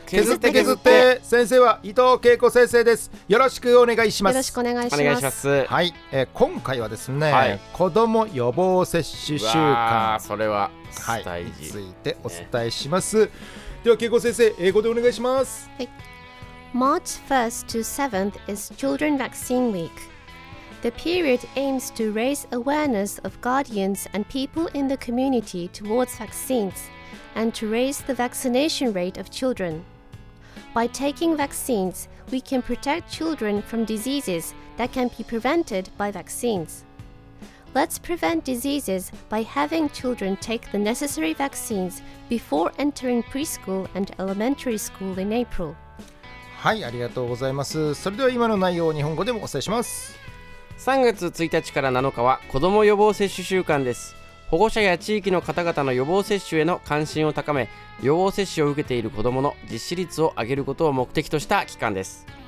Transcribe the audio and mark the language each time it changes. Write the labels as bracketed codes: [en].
[ja] 削って削っ て, 削って。先生は伊藤恵子先生です。よろしくお願いします。よろしくお願いします。お願いします。はい、今回はですね、はい、子供予防接種習慣、それは大事、はい、についてお伝えします、ね、では恵子先生、英語でお願いします。はい。 [en] March 1st to 7th is Children Vaccine Week. The period aims to raise awareness of guardians and people in the community towards vaccines and to raise the vaccination rate of children. By taking vaccines, we can protect children from diseases that can be prevented by vaccines. Let's prevent diseases by having children take the necessary vaccines before entering preschool and elementary school in April. [ja] はい、ありがとうございます。それでは今の内容を日本語でもお伝えします。 3月1日から7日は子ども予防接種週間です。保護者や地域の方々の予防接種への関心を高め、予防接種を受けている子どもの実施率を上げることを目的とした期間です。